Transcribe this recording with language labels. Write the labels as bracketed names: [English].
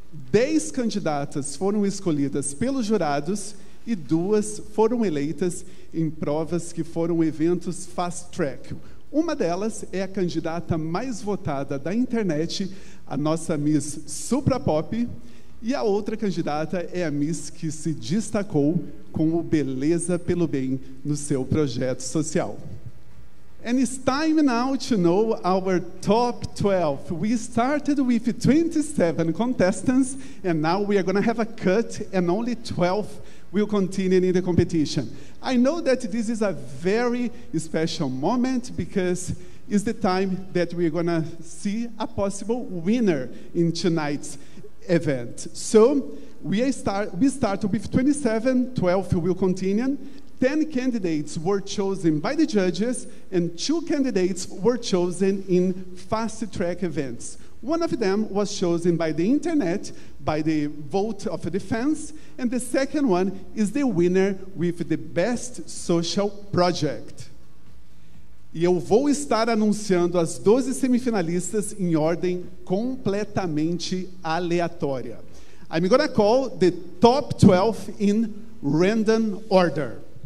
[Portuguese] 10 candidatas foram escolhidas pelos jurados e 2 foram eleitas em provas que foram eventos fast track. Uma delas é a candidata mais votada da internet, a nossa Miss Supra Pop. E a outra candidata é a Miss que se destacou com o Beleza pelo Bem no seu projeto social. [English] And it's time now to know our top 12. We started with 27 contestants and now we are going to have a cut and only 12 will continue in the competition. I know that this is a very special moment because it's the time that we're going to see a possible winner in tonight's event. So we start with 27, 12 will continue. 10 candidates were chosen by the judges and 2 candidates were chosen in fast track events. One of them was chosen by the internet by the vote of the fans, and the second one is the winner with the best social project. [Portuguese] E eu vou estar anunciando as 12 semifinalistas em ordem completamente aleatória. [English] I'm going to call the top 12 in random order.